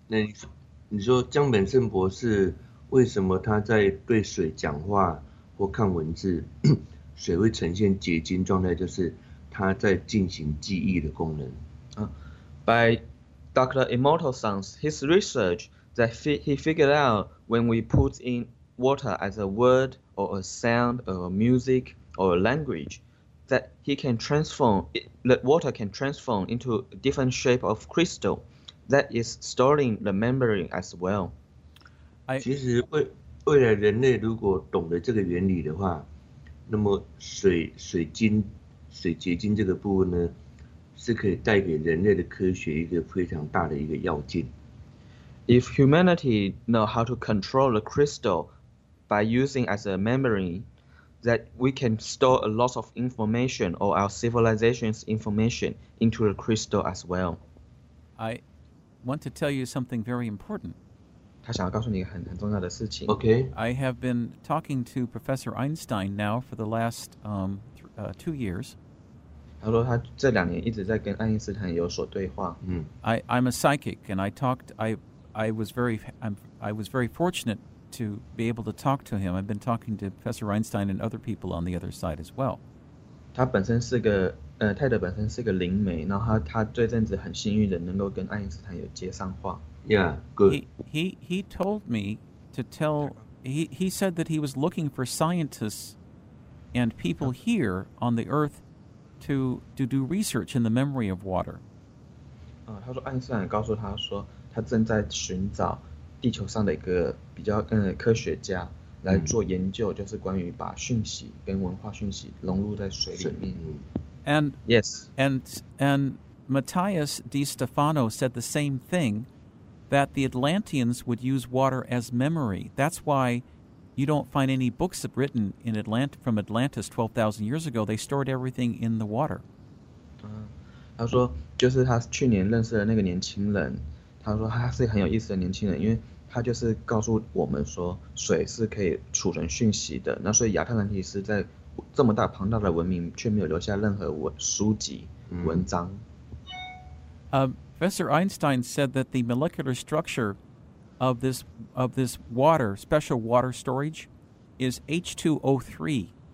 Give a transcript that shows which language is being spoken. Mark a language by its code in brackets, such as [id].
[zh] 那你说江本胜博士为什么他在对水讲话或看文字，水会呈现结晶状态？就是它在进行记忆的功能。 [en] By Dr. Immortal-sans, his research that he figured out when we put in water as a word or a sound or a music or a language, that he can transform, that water can transform into a different shape of crystal that is storing the memory as well. [zh] 其实未来人类如果懂得这个原理的话，那么水结晶这个部分呢，是可以带给人类的科学一个非常大的一个要件。 [en] If humanity know how to control the crystal by using as a memory, that we can store a lot of information or our civilization's information into the crystal as well. I want to tell you something very important. [zh] 他想要告诉你很重要的事情。 [en] Okay. I have been talking to Professor Einstein now for the last 2 years. [zh] 他说他这两年一直在跟爱因斯坦有所对话。嗯、 [en] I'm a psychic, and I was very fortunate to be able to talk to him. I've been talking to Professor Einstein and other people on the other side as well. [zh] 他本身是个泰德本身是个灵媒，然后他最近子很幸运的能够跟爱因斯坦有接上话。 [en] Yeah, good. He told me to tell. He said that he was looking for scientists and people here on the Earth. To do research in the memory of water. [zh] 他说爱因斯坦告诉他说，他正在寻找地球上的一个比较科学家来做研究，就是关于把讯息跟文化讯息融入在水里面。 [en] And yes. And Matthias Di Stefano said the same thing, that the Atlanteans would use water as memory. That's why. You don't find any books written in from Atlantis 12,000 years ago. They stored everything in the water. [zh] 他说就是他去年认识的那个年轻人，他说他是很有意思的年轻人，因为他就是告诉我们说水是可以储存讯息的。那所以亚特兰提斯在这么大庞大的文明却没有留下任何书籍文章。 [en] Professor Einstein said that the molecular structureof this water, special water storage, is H2O3.